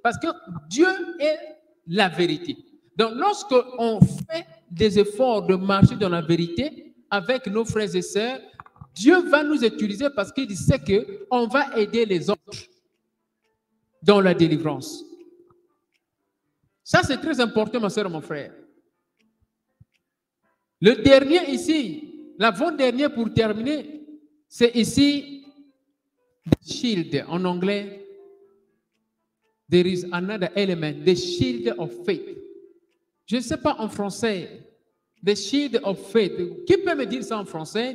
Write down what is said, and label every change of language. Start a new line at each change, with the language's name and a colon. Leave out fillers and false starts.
French: Parce que Dieu est la vérité. Donc lorsque on fait des efforts de marcher dans la vérité avec nos frères et sœurs, Dieu va nous utiliser parce qu'il sait qu'on va aider les autres dans la délivrance. Ça, c'est très important, ma soeur, mon frère. Le dernier ici, l'avant-dernier pour terminer, c'est ici, the shield en anglais.
English: There is another element, the shield of faith.
French: Je ne sais pas en français.
English: The shield of faith.
French: Qui peut me dire ça en français?